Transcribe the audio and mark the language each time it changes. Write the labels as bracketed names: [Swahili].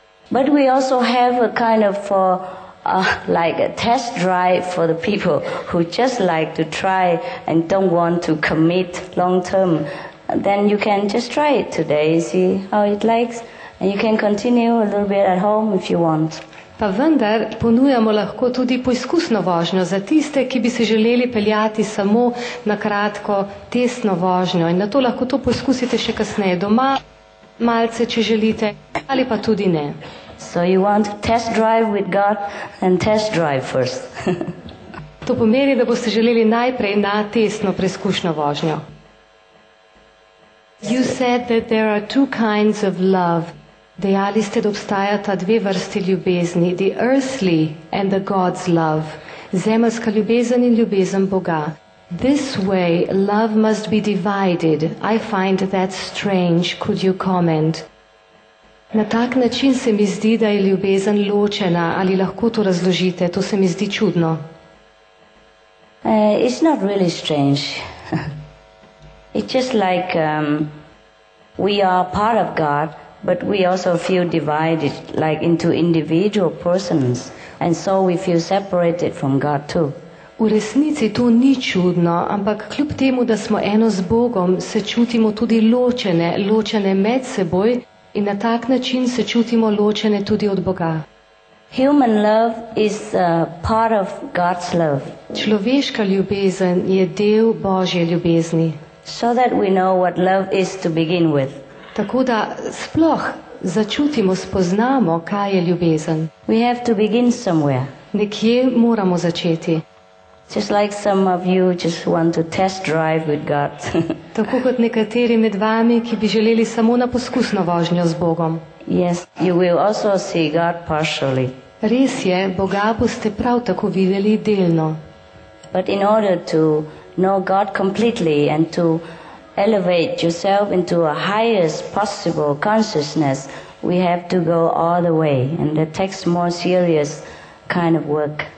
[English] But we also have a kind of like a test drive for the people who just like to try and don't want to commit long term. Then you can just try it today, see how it likes, and you can continue a little bit at home if you want. [Slovenian] Pa vendar ponujamo lahko tudi poizkusno vožnjo za tiste, ki bi se želeli peljati samo na kratko testno vožnjo. In na to lahko to poizkusite še kasneje doma, malce, če želite, ali pa tudi ne. [English] So you want to test drive with God and test drive first. [Slovenian] To pomeni, da boste želeli najprej na testno preizkušno vožnjo. [English] You said that there are two kinds of love. [Slovenian] Dejali ste, da obstajata dve vrsti ljubezni, [English] the earthly and the God's love, [Slovenian] zemeljska ljubezen in ljubezen Boga. [English] This way, love must be divided. I find that strange. Could you comment? [Slovenian] Na tak način se mi zdi, da je ljubezen ločena. Ali lahko to razložite? To se mi zdi čudno. [English] It's not really strange. It's just like we are part of God, but we also feel divided, like into individual persons, and so we feel separated from God too. [Slovenian] V resnici to ni čudno, ampak kljub temu, da smo eno z Bogom, se čutimo tudi ločene, ločene med seboj in na tak način se čutimo ločene tudi od Boga. [English] Human love is part of God's love. [Slovenian] Človeška ljubezen je del Božje ljubezni. [English] So that we know what love is to begin with. [Slovenian] Tako da sploh začutimo, spoznamo, kaj je ljubezen. [English] We have to begin somewhere. [Slovenian] Nekje moramo začeti. [English] Just like some of you just want to test drive with God. [Slovenian] Tako kot nekateri med vami, ki bi želeli samo na poskusno vožnjo z Bogom. [English] Yes, you will also see God partially. [Slovenian] Res je, Boga boste prav tako videli delno. [English] But in order to know God completely and to elevate yourself into a highest possible consciousness, we have to go all the way, and that takes more serious kind of work.